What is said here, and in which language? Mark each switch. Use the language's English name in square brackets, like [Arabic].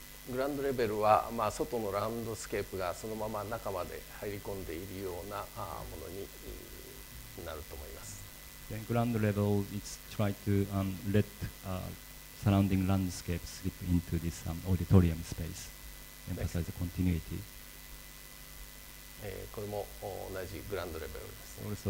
[Japanese] グランドレベルは、まあ、外のランドスケープがそのまま中まで入り込んでいるようなものになると思います。 [English] Then grand level, it's try to let surrounding landscape slip into this auditorium space, emphasize the continuity. [Japanese] これも同じグランドレベルですね。